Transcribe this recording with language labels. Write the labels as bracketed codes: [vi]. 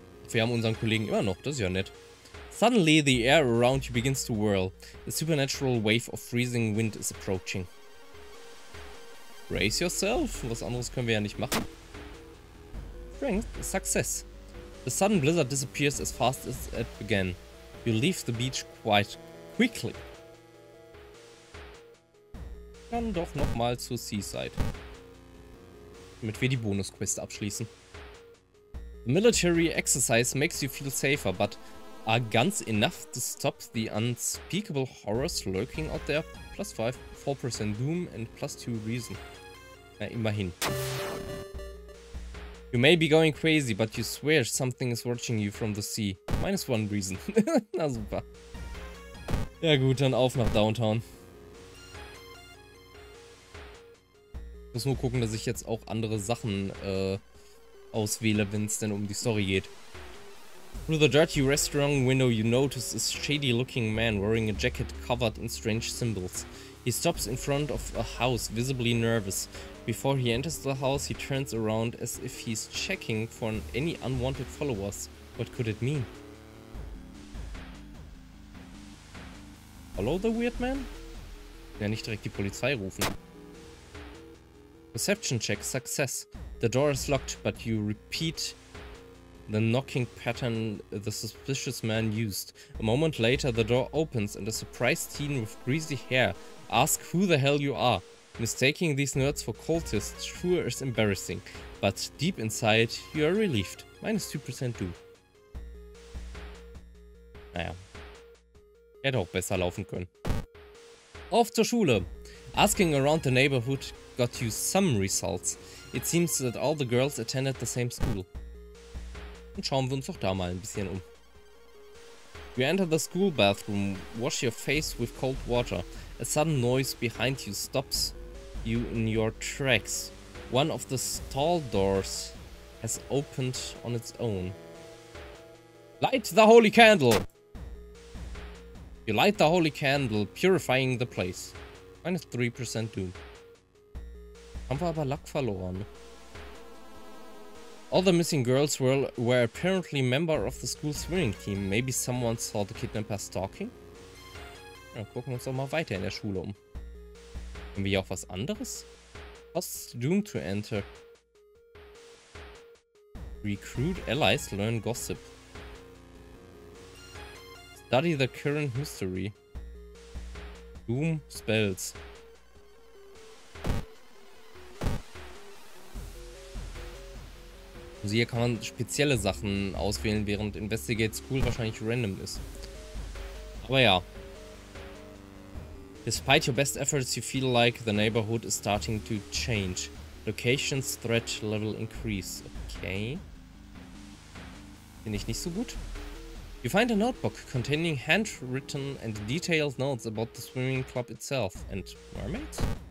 [de] Wir haben unseren Kollegen immer noch, das ist ja nett. [en] Suddenly the air around you begins to whirl. A supernatural wave of freezing wind is approaching. Brace yourself. [de] Was anderes können wir ja nicht machen. [en] Strength, success. The sudden blizzard disappears as fast as it began. You leave the beach quite quickly. [de] Dann doch nochmal zur Seaside. Damit wir die Bonusquest abschließen. [en] The military exercise makes you feel safer, but are guns enough to stop the unspeakable horrors lurking out there? Plus 5, 4% doom and plus 2 reason. [de] Na, immerhin. [en] You may be going crazy, but you swear something is watching you from the sea. Minus 1 reason. [de] Na super. Ja gut, dann auf nach Downtown. Muss nur gucken, dass ich jetzt auch andere Sachen auswähle, wenn es denn um die Story geht. [en] Through the dirty restaurant window you notice a shady looking man wearing a jacket covered in strange symbols. He stops in front of a house, visibly nervous. Before he enters the house, he turns around as if he's checking for any unwanted followers. What could it mean? Follow the weird man? [de] Ja, nicht direkt die Polizei rufen. [en] Perception check, success. The door is locked, but you repeat the knocking pattern the suspicious man used. A moment later, the door opens and a surprised teen with greasy hair asks who the hell you are. Mistaking these nerds for cultists sure is embarrassing, but deep inside, you are relieved. Minus 2% doom. [de] Naja. Hätte auch besser laufen können. Auf zur Schule! [en] Asking around the neighborhood got you some results. It seems that all the girls attended the same school. [de] Dann schauen wir uns doch da mal ein bisschen um. [en] You enter the school bathroom, wash your face with cold water. A sudden noise behind you stops you in your tracks. One of the stall doors has opened on its own. Light the holy candle! You light the holy candle, purifying the place. Minus 3% doom. [de] Haben wir aber Luck verloren. [en] All the missing girls were apparently member of the school swimming team. Maybe someone saw the kidnapper stalking? [de] Dann gucken wir uns doch mal weiter in der Schule um. Haben wir hier auch was anderes? [en] Costume to enter. Recruit allies, learn gossip. Study the current mystery. Doom spells. [de] Also hier kann man spezielle Sachen auswählen, während Investigate School wahrscheinlich random ist. Aber ja. [en] Despite your best efforts, you feel like the neighborhood is starting to change. Locations threat level increase. Okay. [de] Finde ich nicht so gut. [en] You find a notebook containing handwritten and detailed notes about the swimming club itself and mermaids?